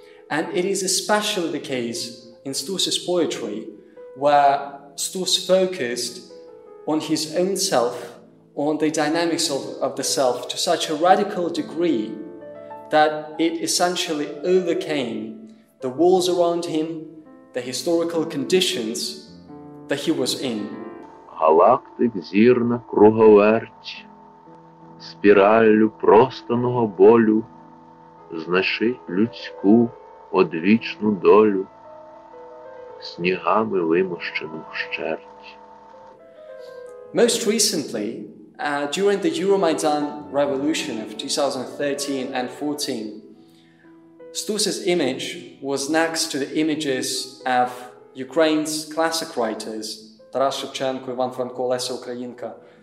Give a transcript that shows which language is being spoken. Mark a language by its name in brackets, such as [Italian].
[English] And it is especially the case in Stus's poetry, where Stus focused on his own self, on the dynamics of the self, to such a radical degree that it essentially overcame the walls around him, the historical conditions that he was in. [Ukrainian] Галактик зірна круговерть, спіраллю простаного болю, знайши людську одвічну долю, снігами вимощену вщерть. [English] Most recently, during the Euromaidan revolution of 2013 and 14, Stus's image was next to the images of Ukraine's classic writers, Taras Shevchenko, Ivan Franko, Lesya Ukrainka.